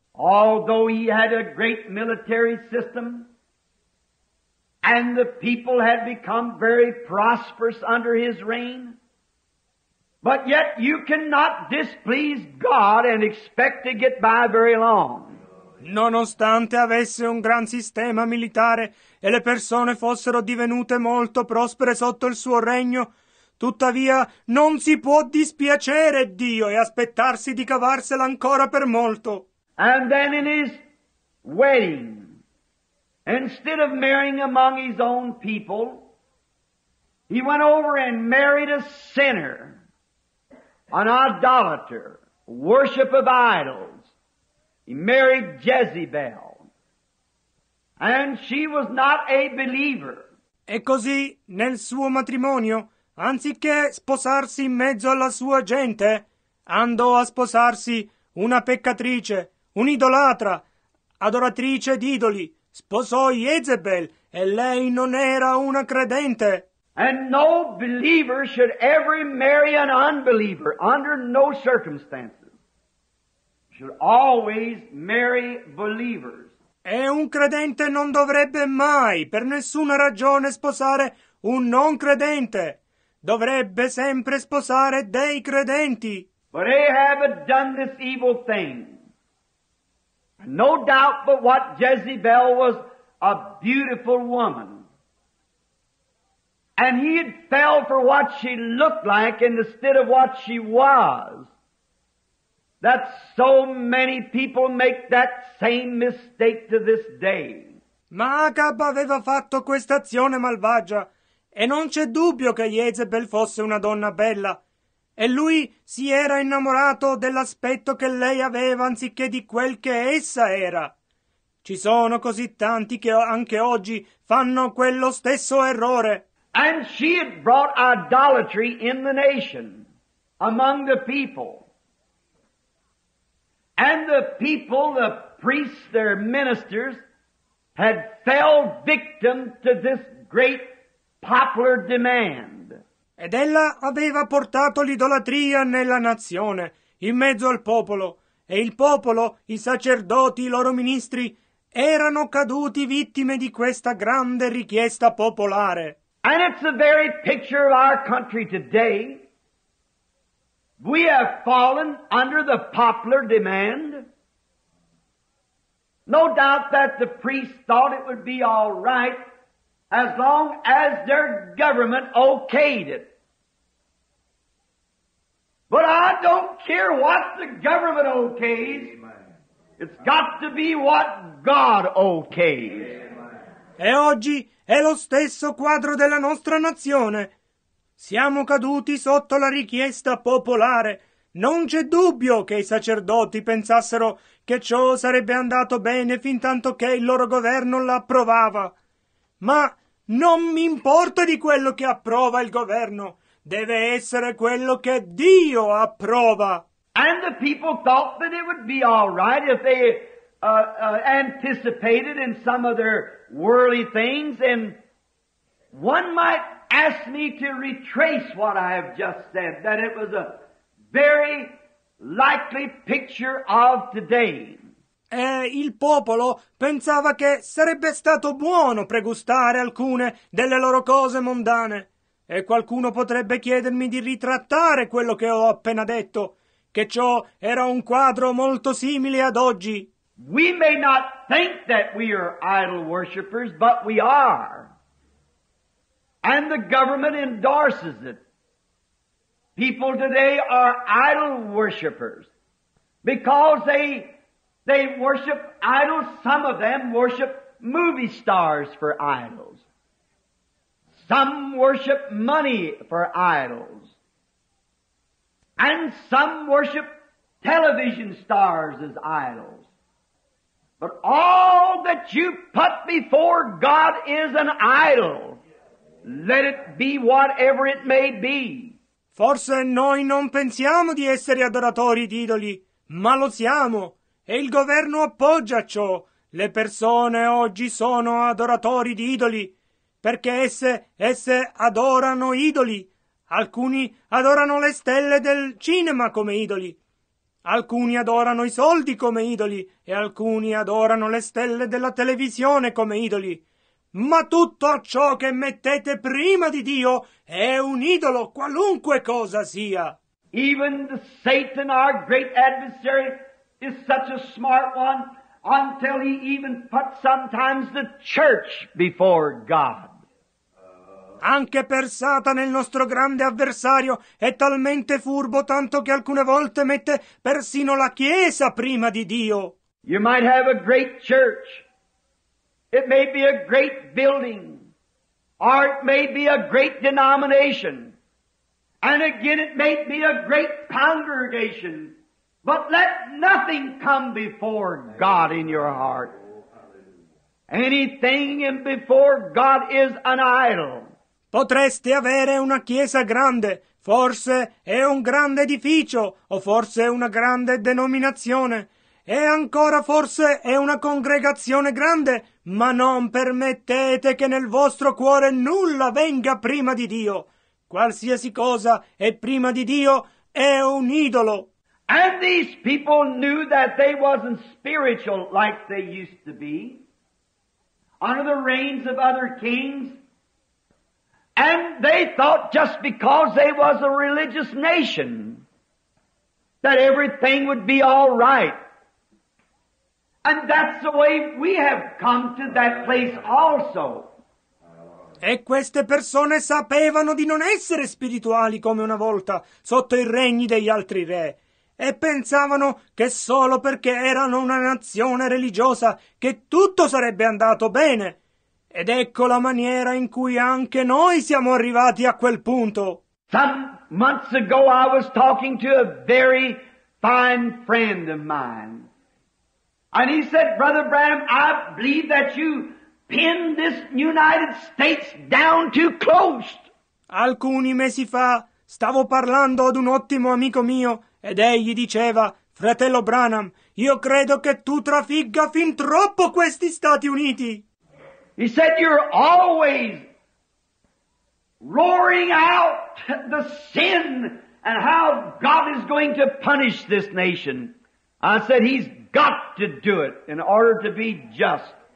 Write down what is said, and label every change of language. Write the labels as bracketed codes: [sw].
[en] Although he had a great military system, and the people had become very prosperous under his reign, but yet you cannot displease God and expect to get by very long. [it] Nonostante avesse un gran sistema militare e le persone fossero divenute molto prospere sotto il suo regno, tuttavia non si può dispiacere Dio e aspettarsi di cavarsela ancora per molto. [en] And then in his wedding, instead of marrying among his own people, he went over and married a sinner, an idolater, worship of idols. He married Jezebel, and she was not a believer. [it] E così, nel suo matrimonio, anziché sposarsi in mezzo alla sua gente, andò a sposarsi una peccatrice, un'idolatra, adoratrice di idoli. Sposò Jezebel, e lei non era una credente. [en] And no believer should ever marry an unbeliever under no circumstances. Should always marry believers. [it] E un credente non dovrebbe mai, per nessuna ragione, sposare un non credente. Dovrebbe sempre sposare dei credenti. [en] But Ahab had done this evil thing. No doubt but what Jezebel was a beautiful woman. And he had fell for what she looked like instead of what she was. That so many people make that same mistake to this day. [it] Ma Acab aveva fatto questa azione malvagia, e non c'è dubbio che Jezebel fosse una donna bella. E lui si era innamorato dell'aspetto che lei aveva anziché di quel che essa era. Ci sono così tanti che anche oggi fanno quello stesso errore. [en] And she had brought idolatry in the nation, among the people. And the people, the priests, their ministers, had fell victim to this great popular demand. [it] Ed ella aveva portato l'idolatria nella nazione, in mezzo al popolo, e il popolo, i sacerdoti, i loro ministri, erano caduti vittime di questa grande richiesta popolare. [en] And it's the very picture of our country today. We have fallen under the popular demand. No doubt that the priests thought it would be all right as long as their government okayed it. But I don't care what the government okays. It's got to be what God okays. [it] E oggi è lo stesso quadro della nostra nazione. Siamo caduti sotto la richiesta popolare. Non c'è dubbio che i sacerdoti pensassero che ciò sarebbe andato bene fin tanto che il loro governo l'approvava. Ma non mi importa di quello che approva il governo. Deve essere quello che Dio approva. [en] And the people thought that it would be all right if they anticipated in some of their worldly things. And one might ask me to retrace what I have just said, that it was a very likely picture of today. [it] E il popolo pensava che sarebbe stato buono pregustare alcune delle loro cose mondane. E qualcuno potrebbe chiedermi di ritrattare quello che ho appena detto. che ciò era un quadro molto simile ad oggi. [en] We may not think that we are idol worshippers, but we are. And the government endorses it. People today are idol worshippers because they worship idols. Some of them worship movie stars for idols. Some worship money for idols. And some worship television stars as idols. But all that you put before God is an idol. Let it be whatever it may be. [it] Forse noi non pensiamo di essere adoratori di idoli, ma lo siamo, e il governo appoggia ciò. Le persone oggi sono adoratori di idoli, perché esse adorano idoli. Alcuni adorano le stelle del cinema come idoli, alcuni adorano i soldi come idoli, e alcuni adorano le stelle della televisione come idoli. Ma tutto ciò che mettete prima di Dio è un idolo, qualunque cosa sia. [en] Even the Satan, our great adversary, is such a smart one, until he even put sometimes the church before God. [it] Anche per Satana, il nostro grande avversario, è talmente furbo tanto che alcune volte mette persino la Chiesa prima di Dio. [en] You might have a great church. It may be a great building, or it may be a great denomination, and again it may be a great congregation, but let nothing come before God in your heart. Anything before God is an idol. [it] Potreste avere una chiesa grande, forse è un grande edificio, o forse è una grande denominazione, e ancora forse è una congregazione grande, ma non permettete che nel vostro cuore nulla venga prima di Dio. Qualsiasi cosa è prima di Dio è un idolo. [en] And these people knew that they wasn't spiritual like they used to be under the reigns of other kings, and they thought just because they was a religious nation that everything would be all right. And that's the way we have come to that place also. [it] E queste persone sapevano di non essere spirituali come una volta sotto i regni degli altri re, e pensavano che solo perché erano una nazione religiosa che tutto sarebbe andato bene. Ed ecco la maniera in cui anche noi siamo arrivati a quel punto. [en] Some months ago I was talking to a very fine friend of mine. And he said, Brother Branham, I believe that you pin this United States down too close. [it] Alcuni mesi fa stavo parlando ad un ottimo amico mio ed egli diceva, Fratello Branham, io credo che tu trafigga fin troppo questi Stati Uniti. [en] He said, you're always roaring out the sin and how God is going to punish this nation. I said, he's got to do it in order to be just.